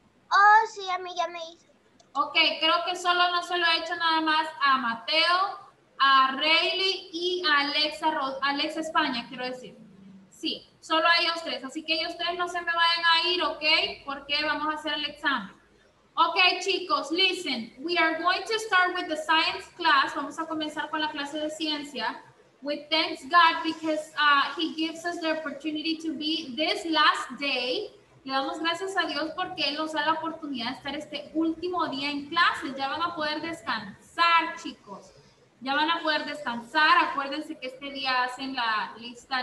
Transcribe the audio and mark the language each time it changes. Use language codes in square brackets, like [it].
[es] Oh, sí, a mí ya me hizo. Ok, creo que solo no se lo ha hecho nada más a Mateo, a Rayleigh y a Alexa, Alexa España, quiero decir. Sí, solo a ellos tres. Así que ellos tres no se me vayan a ir, ¿ok? Porque vamos a hacer el examen. [en] Okay, [es] chicos, [en] listen. We are going to start with the science class. [es] Vamos a comenzar con la clase de ciencia. [en] We thank God because he gives us the opportunity to be this last day. [es] Le damos gracias a Dios porque él nos da la oportunidad de estar este último día en clase. Ya van a poder descansar, chicos. Ya van a poder descansar. Acuérdense que este día hacen la lista